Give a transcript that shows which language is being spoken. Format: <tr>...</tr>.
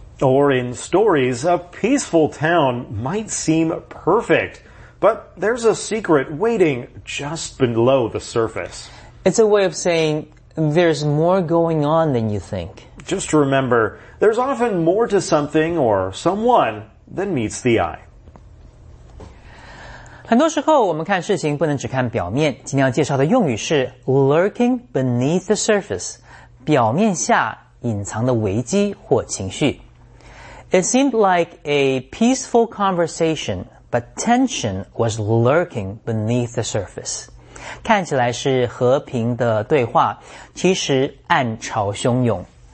<en>Or in stories, a peaceful town might seem perfect, but there's a secret waiting just below the surface. It's a way of saying there's more going on than you think. Just remember, there's often more to something or someone than meets the eye.</en> <zh>很多时候我们看事情不能只看表面。今天要介绍的用语是 lurking beneath the surface, 表面下隐藏的危机或情绪。</zh> <en>It seemed like a peaceful conversation, but tension was lurking beneath the surface.</en> <zh>看起来是和平的对话, 其实暗潮汹涌。</zh>